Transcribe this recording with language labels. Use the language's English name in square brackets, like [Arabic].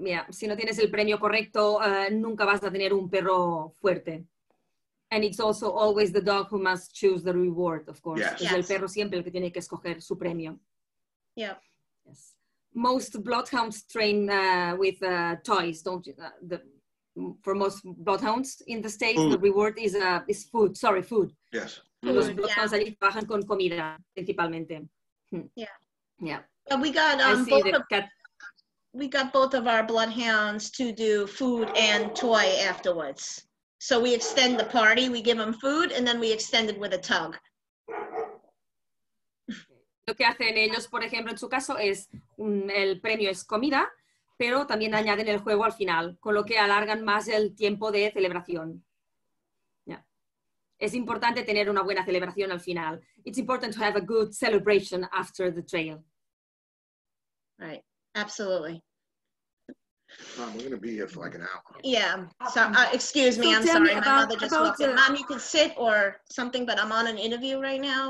[Spanish] Si no tienes el premio correcto, nunca vas a tener un perro fuerte. [English] And it's also always the dog who must choose the reward, of course. Yes. El perro siempre el que tiene que escoger su premio. Yeah. Yes. Most bloodhounds train with toys, don't you? For most bloodhounds in the States, food. The reward is food. Sorry, food. Yes. [Spanish] Mm-hmm. Los bloodhounds allí trabajan con comida principalmente. [English] And we got both of our bloodhounds to do food and toy afterwards. So we extend the party, we give them food, and then we extend it with a tug. [Spanish] Lo que hacen ellos, por ejemplo, en su caso es el premio es comida, pero también añaden el juego al final, con lo que alargan más el tiempo de celebración. Es importante tener una buena celebración al final. [English] It's important to have a good celebration after the trail. Right, absolutely. Mom, we're going to be here for like an hour. Yeah, so excuse me, so I'm sorry. My mother just walked in. Mom, you can sit or something, but I'm on an interview right now.